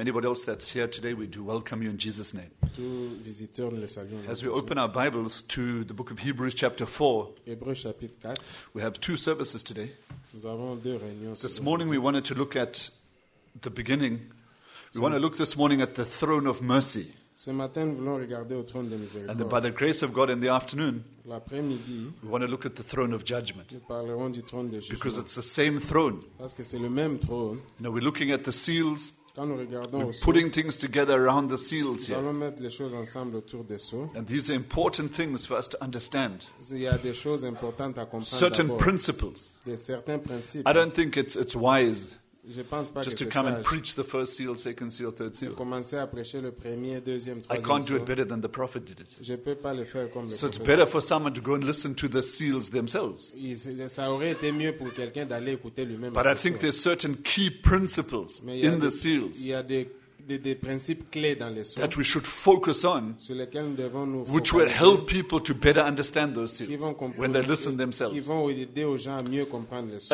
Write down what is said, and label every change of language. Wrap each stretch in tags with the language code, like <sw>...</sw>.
<en>Anybody else that's here today, we do welcome you in Jesus' name.</en> <fr>Tous visiteurs, nous les saluons.</fr> <en>As we open our Bibles to the book of Hebrews chapter 4,</en> <fr>Hébreux chapitre 4,</fr> <en>we have two services today.</en> <fr>Nous avons deux réunions.</fr> <en>This morning we wanted to look at the beginning. We want to look this morning at the throne of mercy.</en> <fr>Ce matin, nous voulons regarder au trône de miséricorde.</fr> <en>And then by the grace of God in the afternoon,</en> <fr>l'après-midi,</fr> <en>we want to look at the throne of judgment.</en> <fr>Nous parlerons du trône de jugement.</fr> <en>Because it's the same throne.</en> <fr>Parce que c'est le même trône.</fr> <en>Now we're looking at the seals.</en> <fr>Quand nous regardons</fr> <en>we're putting sceaux, things together around the seals</en> <fr>here. Nous allons mettre les choses ensemble autour des sceaux.</fr> <en>And these are important things for us to understand.</en> <fr>Il y a des choses importantes à comprendre.</fr> <en>Certain</en> <fr>d'abord,</fr> <en>principles.</en> <fr>Des certains principes.</fr> <en>I don't think it's wise.</en> <fr>Je pense pas</fr> <en>just</en> <fr>que</fr> <en>to</en> <fr>c'est</fr> <en>come</en> <fr>sage.</fr> <en>And preach the first seal, second seal, third seal.</en> <fr>De commencer à prêcher le premier, deuxième, troisième.</fr> <en>I can't do it better than the prophet did it.</en> <fr>Je peux pas le faire comme</fr> <en>so</en> <fr>le prophète.</fr> <en>It's better for someone to go and listen to the seals themselves.</en> <fr>Ça aurait été mieux pour quelqu'un d'aller écouter lui-même.</fr> <en>But I think there's certain key principles in the seals.</en> <fr>Il y a des principes clés dans les sceaux</fr> <en>that we should focus on,</en> <fr>sur lesquels nous devons nous focaliser,</fr> <en>which will help people to better understand those seals</en> <fr>qui vont</fr> <en>when they listen themselves.</en> <fr>Qui vont aider aux gens à mieux comprendre les sceaux.</fr>